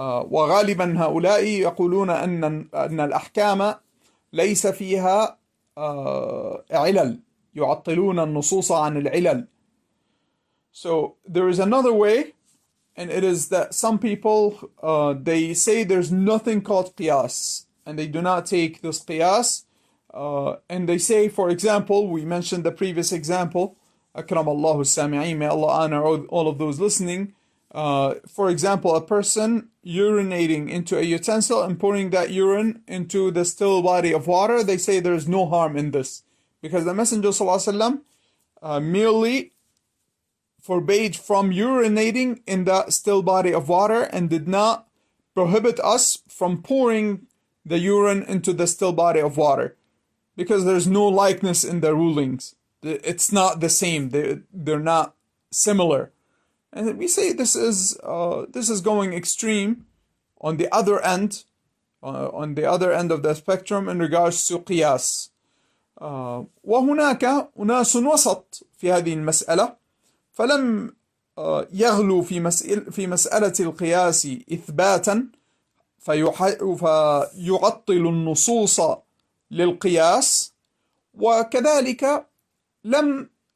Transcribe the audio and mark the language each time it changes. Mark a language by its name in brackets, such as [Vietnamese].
[Arabic] وغالبا هؤلاء يقولون أن الأحكام ليس فيها علل، يعطلون النصوص عن العلل. [English] So there is another way, and it is that some people they say there's nothing called qiyas, and they do not take this qiyas. And they say, for example, we mentioned the previous example, [Arabic] أكرم الله السامعين, [English] may Allah honor all of those listening. For example, a person urinating into a utensil and pouring that urine into the still body of water, they say there is no harm in this. Because the Messenger merely forbade from urinating in that still body of water and did not prohibit us from pouring the urine into the still body of water. Because there's no likeness in the rulings. It's not the same. They're not similar. And we say this is going extreme on the other end, on the other end of the spectrum in regards to qiyas. [Arabic] وهناك أناس وسط في هذه المسألة فلم يغلو في مسألة القياس إثباتا فيعطل النصوص للقياس، وكذلك لم